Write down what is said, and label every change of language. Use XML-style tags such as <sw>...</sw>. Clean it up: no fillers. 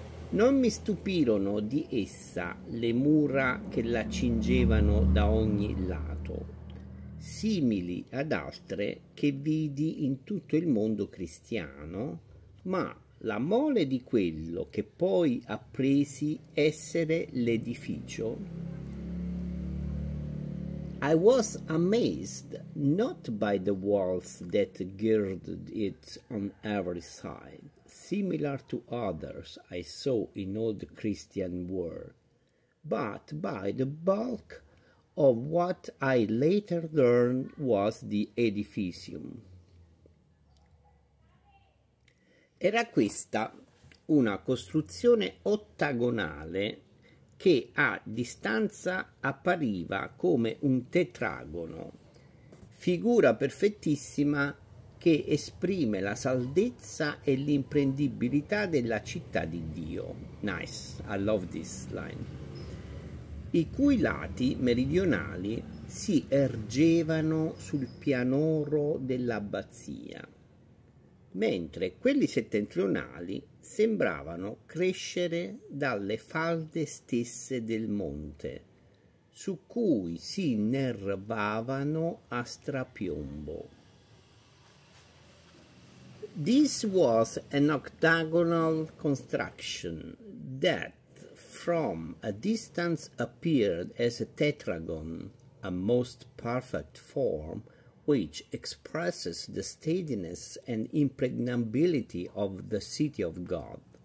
<it>Non mi stupirono di essa le mura che la cingevano da ogni lato, simili ad altre che vidi in tutto il mondo cristiano, ma la mole di quello che poi appresi essere l'edificio.</it> <en>I was amazed not by the walls that girded it on every side, similar to others I saw in all the Christian world, but by the bulk of what I later learned was the edificium.</en> <it>Era questa una costruzione ottagonale che a distanza appariva come un tetragono, figura perfettissima che esprime la saldezza e l'imprendibilità della città di Dio.</it> <en>Nice, I love this line.</en> <it>I cui lati meridionali si ergevano sul pianoro dell'abbazia, mentre quelli settentrionali sembravano crescere dalle falde stesse del monte, su cui si innervavano a strapiombo.</it> <en>This was an octagonal construction that from a distance appeared as a tetragon, a most perfect form which expresses the steadiness and impregnability of the city of God,</en>